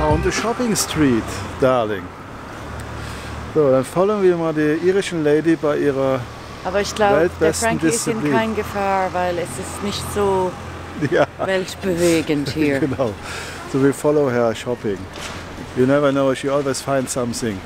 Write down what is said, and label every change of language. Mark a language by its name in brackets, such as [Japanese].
[English] Shopping Street, Darling. [German] So, dann folgen wir mal der irischen Lady bei ihrer Weltbesten-Disziplin. Aber ich glaube, der Frankie ist in kein Gefahr, weil es ist nicht so weltbewegend hier. Genau. [English] So, we follow her shopping. You never know, she always finds something.